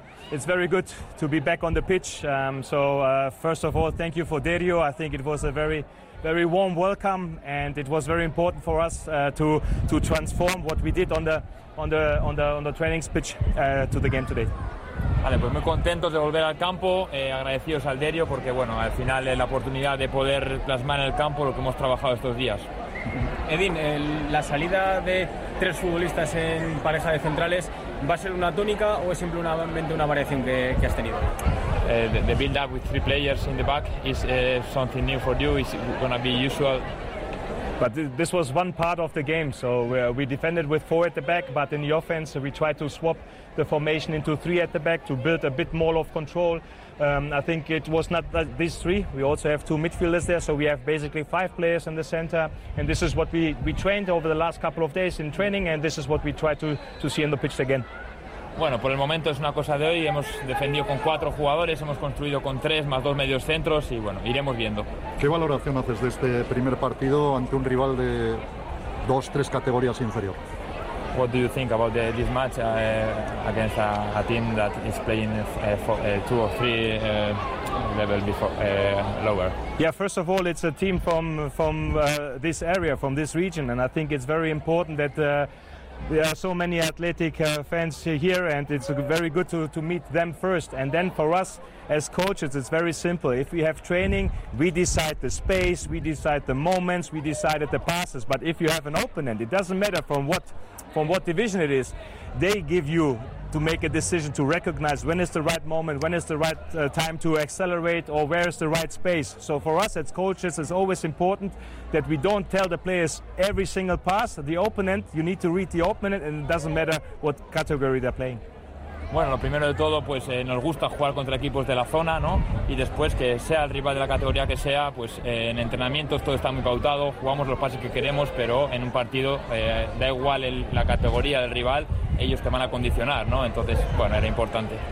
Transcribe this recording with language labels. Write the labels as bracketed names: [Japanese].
[English] It's very good to be back on the pitch. First of all, thank you for Derio. I think it was a very, very warm welcome, and it was very important for us to transform what we did on the training pitch to the game today. [Spanish] Vale, pues muy contentos de volver al campo, agradecidos al Derio porque bueno, al final la oportunidad de poder plasmar en el campo lo que hemos trabajado estos días. Edin, la salida de tres futbolistas en pareja de centrales, ¿va a ser una tónica o es simplemente una variación que has tenido? [English] The build up with three players in the back is something new for you. It's going to be usual. But this was one part of the game, so we defended with four at the back, but in the offense we tried to swap the formation into three at the back to build a bit more of control. I think it was not that these three, we also have two midfielders there, so we have basically five players in the center, and this is what we trained over the last couple of days in training, and this is what we try to see in the pitch again. [Spanish] Bueno, por el momento es una cosa de hoy, hemos defendido con cuatro jugadores, hemos construido con tres más dos medios centros y bueno, iremos viendo. ¿Qué valoración haces de este primer partido ante un rival de dos, tres categorías inferior? [English] What do you think about this match against a team that is playing for two or three level before lower? Yeah, first of all, it's a team from this area, from this region, and I think it's very important that there are so many athletic fans here, and it's very good to meet them first. And then for us as coaches, it's very simple. If we have training, we decide the space, we decide the moments, we decide the passes. But if you have an opponent, it doesn't matter from what division it is, they give you to make a decision to recognize when is the right moment, when is the right time to accelerate, or where is the right space. So for us as coaches, it's always important that we don't tell the players every single pass. The opponent, you need to read the opponent, and it doesn't matter what category they're playing. [Spanish] Bueno, lo primero de todo, pues nos gusta jugar contra equipos de la zona, ¿no? Y después, que sea el rival de la categoría que sea, pues en entrenamientos todo está muy pautado, jugamos los pases que queremos, pero en un partido da igual la categoría del rival, ellos te van a condicionar, ¿no? Entonces, bueno, era importante.